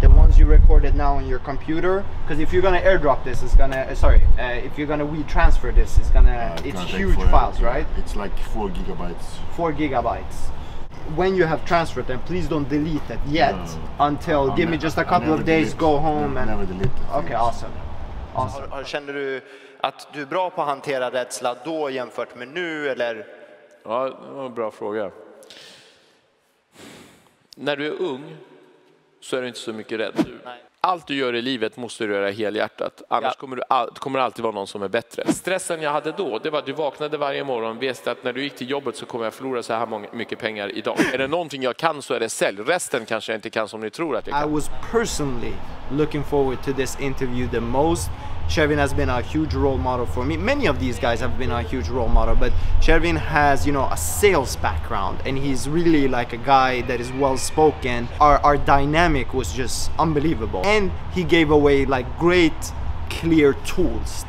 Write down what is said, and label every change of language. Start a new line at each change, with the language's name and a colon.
English: The ones you recorded now on your computer, because if you're gonna airdrop this, it's gonna if you're gonna transfer this, it's gonna it's huge files, right? It's like 4 gigabytes. 4 gigabytes. When you have transferred them, please don't delete it yet. Give me just a couple of days. Go home. Okay, awesome. Awesome.
Swedish: Känner du att du är bra på att hantera rädsla då jämfört med nu eller? Ja, det var en bra fråga. När du är ung så är du inte så mycket rädd. Nej. Allt du gör i livet måste du göra helhjärtat. Annars kommer det alltid vara någon som är bättre. Stressen jag hade då, det var att du vaknade varje morgon och visste att när du gick till jobbet så kommer jag förlora så här mycket pengar idag. Är det någonting jag kan så är det sälj. Resten kanske jag inte kan som ni tror att jag kan.
English: I was personally looking forward to this interview the most. Shervin has been a huge role model for me. Many of these guys have been a huge role model, but Shervin has, you know, a sales background and he's really like a guy that is well spoken. Our dynamic was just unbelievable. And he gave away like great, clear tools.